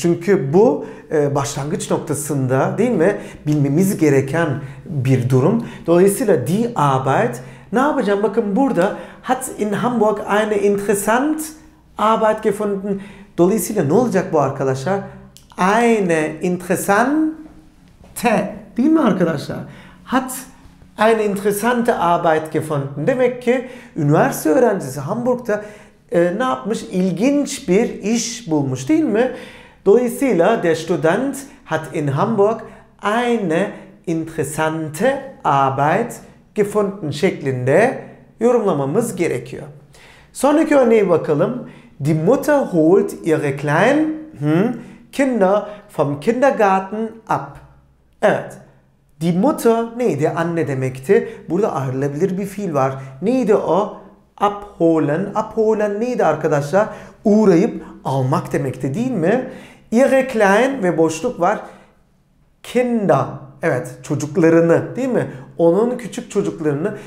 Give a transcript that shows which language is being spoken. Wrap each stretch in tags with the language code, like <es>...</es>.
<tr>Çünkü bu başlangıç noktasında değil mi? Bilmemiz gereken bir durum. Dolayısıyla</tr> <de>die Arbeit,</de> <tr>ne yapacağım? Bakın burada</tr> <de>hat in Hamburg eine interessant Arbeit gefunden.</de> <tr>Dolayısıyla ne olacak bu arkadaşlar?</tr> <de>Eine interessante,</de> <tr>değil mi arkadaşlar?</tr> <de>Hat eine interessante Arbeit gefunden.</de> <tr>Demek ki üniversite öğrencisi Hamburg'da ne yapmış? İlginç bir iş bulmuş değil mi? Dolayısıyla</tr> <de>der Student hat in Hamburg eine interessante Arbeit gefunden</de> <tr>şeklinde yorumlamamız gerekiyor. Sonraki örneğe bakalım.</tr> <de>Die Mutter holt ihre kleinen Kinder vom Kindergarten ab.</de> <tr>Evet.</tr> <de>Die Mutter</de> <tr>neydi? Anne demekti. Burada ayrılabilir bir fiil var. Neydi o? Abholen. Abholen neydi arkadaşlar? Uğrayıp almak demekti değil mi?</tr> <de>Ihre kleinen</de> <tr>ve boşluk var.</tr> <de>Kinder.</de> <tr>Evet, çocuklarını değil mi? Onun küçük çocuklarını.</tr>